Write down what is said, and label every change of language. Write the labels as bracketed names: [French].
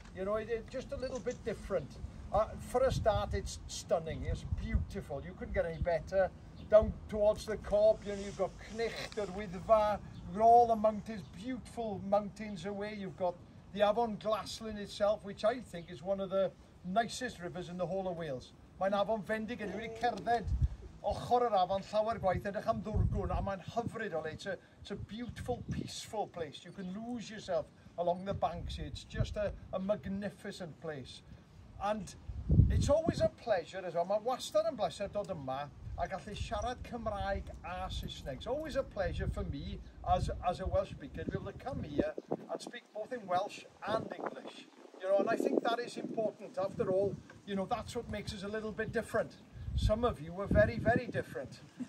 [English] You know, it's just a little bit different. For a start, it's stunning. It's beautiful. You couldn't get any better. Down towards the corp, you know, you've got Cnicht, yr Wyddfa, all the mountains, beautiful mountains away. You've got the Avon Glaslyn itself, which I think is one of the nicest rivers in the whole of Wales. [Welsh] Mae'n Avon Fendig yn really cerdded ochr yr afon, llawer gwaith, edrych am ddwrgwn, a mae'n hyfryd o le. [English] It's a beautiful, peaceful place. You can lose yourself along the banks. It's just a magnificent place. And it's always a pleasure as well. [Welsh] Mae wastad yn bleser dod yma a gallu siarad Cymraeg a Saesneg. [English] It's always a pleasure for me as a Welsh speaker to be able to come here and speak both in Welsh and English. You know, and I think that is important. After all, you know, that's what makes us a little bit different. Some of you were very, very different.